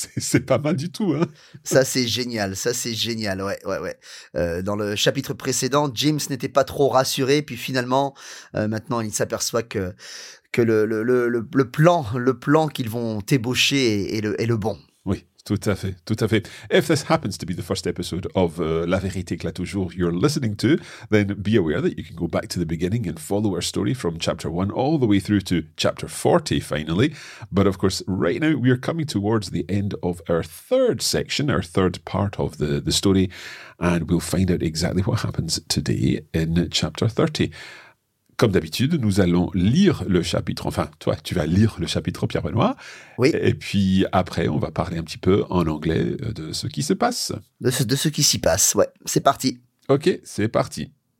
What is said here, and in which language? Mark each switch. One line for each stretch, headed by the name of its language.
French: C'est pas mal du tout. Hein. Ça c'est génial, ouais, ouais, ouais. Dans le chapitre précédent, James n'était pas trop rassuré, puis finalement, maintenant il s'aperçoit que le plan qu'ils vont ébaucher est le bon. Oui. Tout à fait, tout à fait.
English: If this happens to be the first episode of La Vérité Éclate Toujours you're listening to, then be aware that you can go back to the beginning and follow our story from chapter 1 all the way through to chapter 40, finally. But of course, right now, we are coming towards the end of our third section, our third part of the story, and we'll find out exactly what happens today in chapter 30.
French: Comme d'habitude, nous allons lire le chapitre, enfin, toi, tu vas lire le chapitre, Pierre-Benoît. Oui. Et puis après, on va parler un petit peu en anglais de ce qui se passe. De ce qui s'y passe, ouais. C'est parti. Ok, c'est parti.